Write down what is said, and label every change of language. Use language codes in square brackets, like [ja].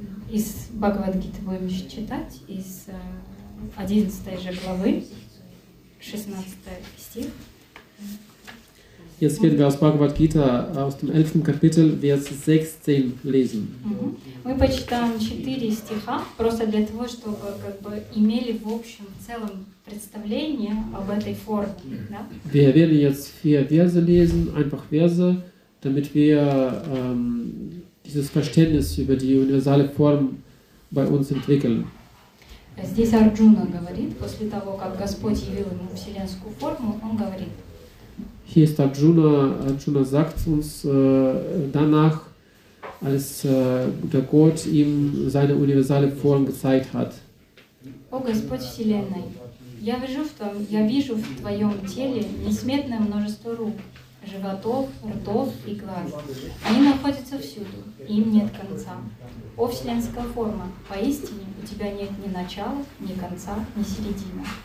[ru] Из Бхагавад-гиты будем читать, из 11 же главы, 16 стих. [de] Jetzt werden wir aus Bhagavad Gita aus dem 11. Kapitel, Vers 16 lesen. [ru] Мы почитаем 4 стиха, просто для того, чтобы как бы имели в общем целом представление об этой форме, да? [de] Wir werden jetzt 4 Verse lesen, einfach Verse, damit wir dieses Verständnis über die universale Form bei uns entwickeln. [ru] Здесь Арджуна говорит, после того, как Господь явил ему вселенскую форму, он говорит: [de] Hier ist Arjuna. Arjuna sagt uns danach, als der Gott ihm seine universale Form gezeigt hat. [ru] O Господь Вселенной, я вижу в твоем теле несметное множество рук, животов, ртов и глаз. Они находятся всюду, им нет конца. О вселенская форма, поистине у тебя нет ни начала, ни конца, ни середины.